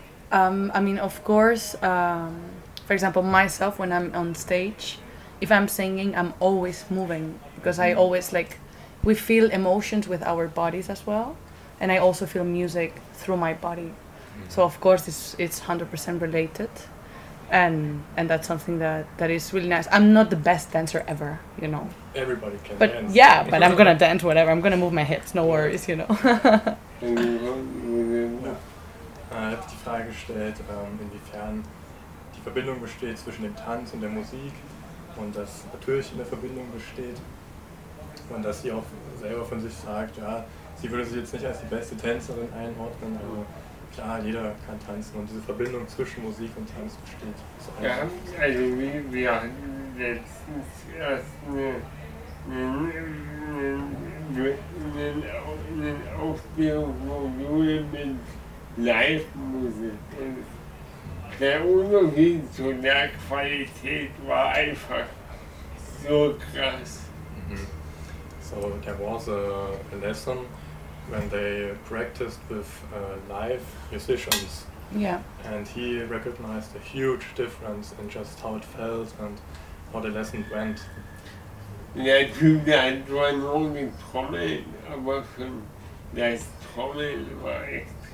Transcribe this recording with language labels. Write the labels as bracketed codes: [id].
[en] I mean, of course, for example, myself, when I'm on stage, if I'm singing, I'm always moving, because I always, like, we feel emotions with our bodies as well, and I also feel music through my body. So of course it's 100% related, and that's something that is really nice. I'm not the best dancer ever, you know. Everybody can but dance. Yeah, but I'm gonna dance whatever. I'm gonna move my hips, no worries, you know. [de] Ich habe die Frage gestellt, inwiefern die Verbindung besteht zwischen dem Tanz und der Musik und dass natürlich eine Verbindung besteht und dass sie auch selber von sich sagt, ja, sie würde sich jetzt nicht als die beste Tänzerin einordnen, aber klar, jeder kann tanzen und diese Verbindung zwischen Musik und Tanz besteht. Ja, also wir hatten letztens erst eine Aufklärung, wo du mit Live-Musik. Der Unterschied zu der Qualität war einfach so krass. Mm-hmm. [en] So there was a lesson when they practiced with live musicians. Yeah. And he recognized a huge difference in just how it felt and how the lesson went. [de] Ja, natürlich, das war nur die Trommel, aber schon das Trommel war echt.